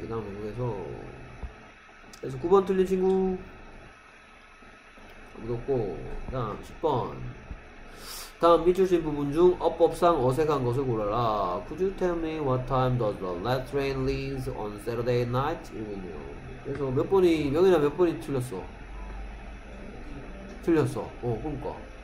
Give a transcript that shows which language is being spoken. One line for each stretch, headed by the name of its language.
Korean: 그 다음에 그래서 9번 틀린 친구 아무도 없고 그 다음 10번 다음 밑줄 쓴 부분 중 어법상 어색한 것을 골라라.
English: Could you tell me what time does the last train leaves on Saturday night?
Korean: 이러거든요. 그래서 명이나 몇 번이 틀렸어? 틀렸어. 그러니까.